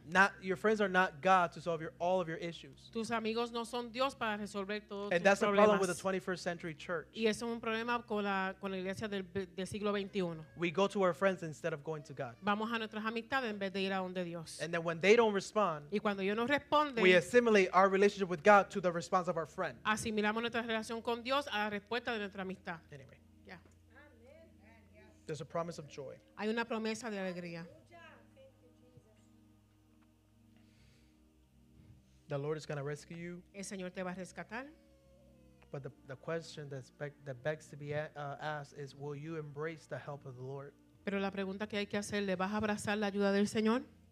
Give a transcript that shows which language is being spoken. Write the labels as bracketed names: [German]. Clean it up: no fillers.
[English] Not, your friends are not God to solve your, all of your issues. [Spanish] Tus amigos no son Dios para resolver todos tus problemas. [English] And that's the problem with the 21st century church. [Spanish] Y eso es un problema con la iglesia del siglo 21. [English] We go to our friends instead of going to God. [Spanish] Vamos a nuestras amistades en vez de ir a donde Dios. [English] And then when they don't respond, [Spanish] y cuando ellos no responden, [English] we assimilate our relationship with God to the response of our friend. [Spanish] Asimilamos nuestra relación con Dios a la respuesta de nuestra amistad. [English] Anyway. There's a promise of joy. [Spanish] Hay una promesa de alegría. [English] The Lord is going to rescue you. [Spanish] El Señor te va a rescatar. [English] But the question that begs to be asked is, will you embrace the help of the Lord? [Spanish] Pero la pregunta que hay que hacer, ¿le vas a abrazar la ayuda del Señor?